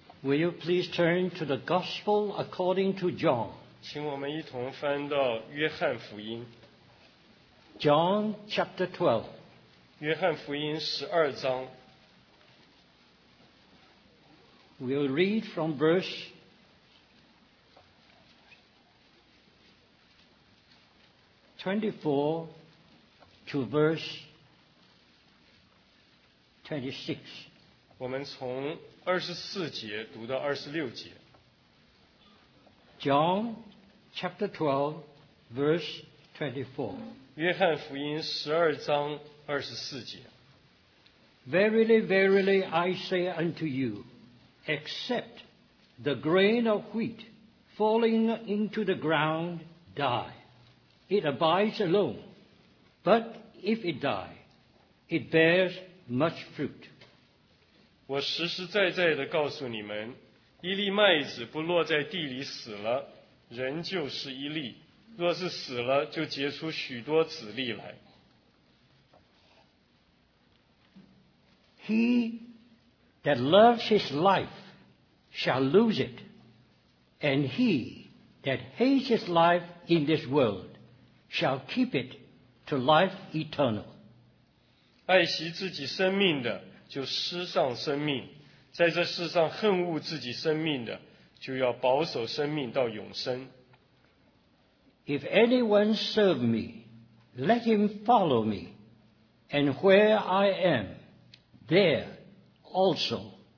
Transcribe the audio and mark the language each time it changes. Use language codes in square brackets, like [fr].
[en] Will you please turn to the Gospel according to John? [zh] 请我们一同翻到约翰福音。 [en] John chapter 12. [zh] 约翰福音十二章。 [en] We'll read from verse 24 to verse 26. [zh] 我们从二十四节读到二十六节。 [en] John chapter 12, verse 24. [zh] 约翰福音十二章二十四节。 [en] Verily, verily, I say unto you,Except the grain of wheat falling into the ground die, it abides alone. But if it die, it bears much fruit. [zh] 我实实在在地告诉你们，一粒麦子不落在地里死了，仍旧是一粒；若是死了，就结出许多籽粒来。 [en] He that loves his life. Shall lose it, and he that hates his life in this world shall keep it to life eternal. [zh] 爱惜自己生命的就失丧生命，在这世上恨恶自己生命的就要保守生命到永生。 [en] If anyone serve me, let him follow me, and where I am, there also.